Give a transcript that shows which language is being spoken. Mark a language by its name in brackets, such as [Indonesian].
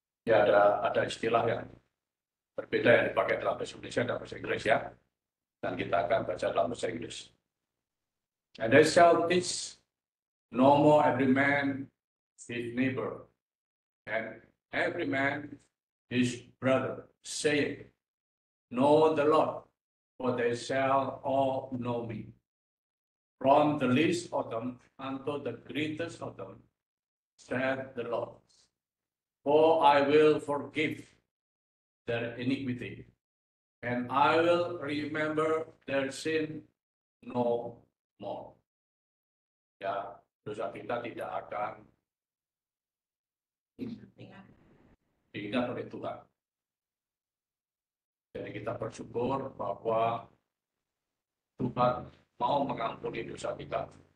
[Indonesian] Ya, ada istilah yang berbeda yang dipakai dalam bahasa Indonesia dan bahasa Inggris ya. Dan kita akan baca dalam bahasa Inggris. [English] And they shall teach no more every man his neighbor and every man his brother, saying, know the Lord, for they shall all know me. From the least of them unto the greatest of them, saith the Lord. For I will forgive their iniquity, and I will remember their sin no more. [Indonesian] Ya, dosa kita tidak akan diingat oleh Tuhan. Jadi kita bersyukur bahwa Tuhan mau mengampuni dosa kita.